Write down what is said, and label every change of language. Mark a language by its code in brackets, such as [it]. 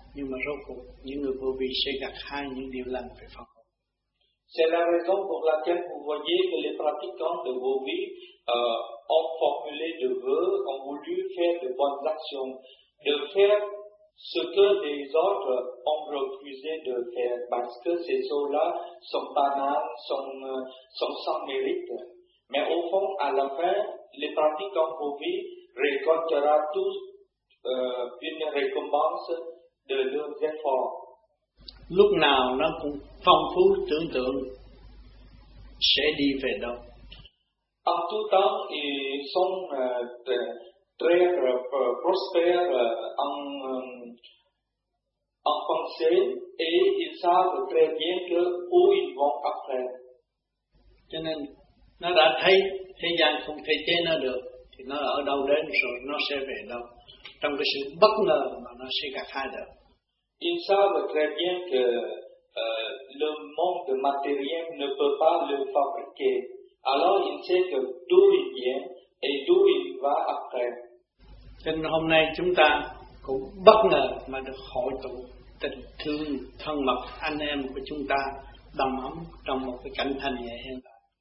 [vi] Nhưng mà rốt cuộc những người vô vi sẽ gặt hái những điều lành phải không? [fr] C'est la raison pour laquelle vous voyez que les pratiquants de vos vies ont formulé de vœux, ont voulu faire de bonnes actions, de faire ce que les autres ont refusé de faire, parce que ces choses-là sont banales, sont sans mérite. Mais au fond, à la fin, les pratiquants de vos vies récoltera tous une récompense de leurs efforts. [vi] Lúc nào nó cũng phong phú tưởng tượng sẽ đi về đâu. [fr] En tout temps, ils sont très prospères en pensée et ils savent très bien que où ils vont après. [vi] Cho nên, nó đã thấy thế gian không thể chế nó được, thì nó ở đâu đến rồi nó sẽ về đâu. Trong cái sự bất ngờ mà nó sẽ gặp hai được. [fr] Ils savent très bien que le monde matériel ne peut pas le fabriquer. Alors ils savent que d'où il vient et d'où il va après. [vi] Nên hôm nay chúng ta cũng bất ngờ mà được hội tụ tình thương thân mật anh em của chúng ta đầm ấm trong một cái cảnh thành nhẹ hiện tại.